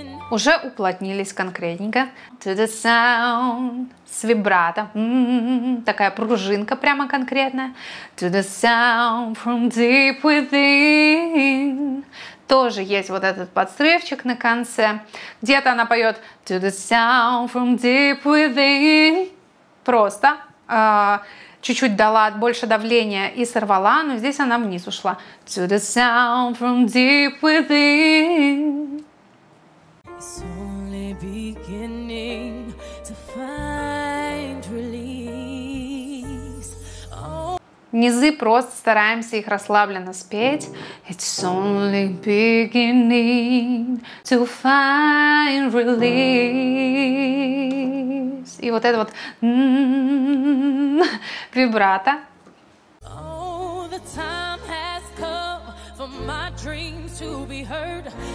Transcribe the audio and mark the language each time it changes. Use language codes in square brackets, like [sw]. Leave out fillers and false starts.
[ru] Уже уплотнились конкретненько. [en] To the sound. [ru] С вибрато. Такая пружинка прямо конкретная. [en] To the sound from deep within. [ru] Тоже есть вот этот подсрывчик на конце. Где-то она поет [en] To the sound from deep within. [ru] Просто. Чуть-чуть дала больше давления и сорвала, но здесь она вниз ушла. [en] To the sound from deep within. It's only beginning to find release. [ru] Низы просто стараемся их расслабленно спеть. [en] It's only beginning to find release. [ru] И вот это вот вибрато. [en] Oh, the time has come for my dreams to be heard.